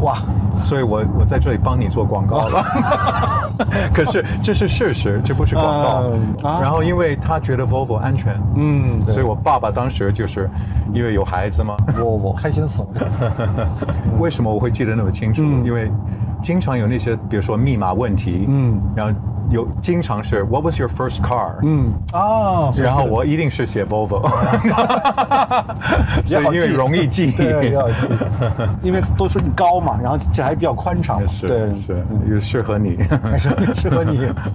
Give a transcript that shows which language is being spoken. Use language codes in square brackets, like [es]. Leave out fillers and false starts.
[zh] 哇，所以我在这里帮你做广告了。可是这是事实，这不是广告。然后因为他觉得 Volvo 安全，嗯，所以我爸爸当时就是因为有孩子嘛，Volvo 开心死了。为什么我会记得那么清楚？因为经常有那些比如说密码问题，嗯，然后。有经常是 [en] What was your first car？ [zh] 嗯，哦，然后我一定是写 Volvo， 所以因为容易记，对，要记，因为都是高嘛，然后这还比较宽敞，是，对，是，又适合你，适合你。